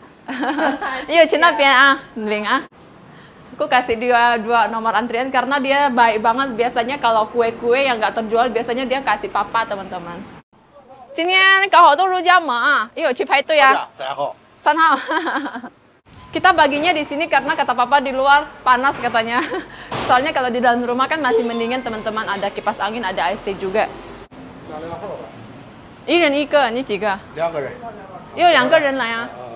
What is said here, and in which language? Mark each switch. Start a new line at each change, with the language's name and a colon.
Chinese: 给你免费灌饼，哎，那个肉夹馍，你可以拿号一号。哈哈，也有去那边啊，领啊。
Indonesian: Aku kasih dua nomor antrian karena dia baik banget. Biasanya kalau kue-kue yang nggak terjual, biasanya dia kasih papa teman-teman.
Chinese: 今天搞好多肉夹馍啊，也有去排队啊。三号。三号。
Indonesian: Kita baginya di sini karena kata papa di luar panas katanya. Soalnya kalau di dalam rumah kan masih mendingan teman-teman, ada kipas angin, ada AC juga.
Chinese: 一人一个，你几个？两个人。又两个人来啊。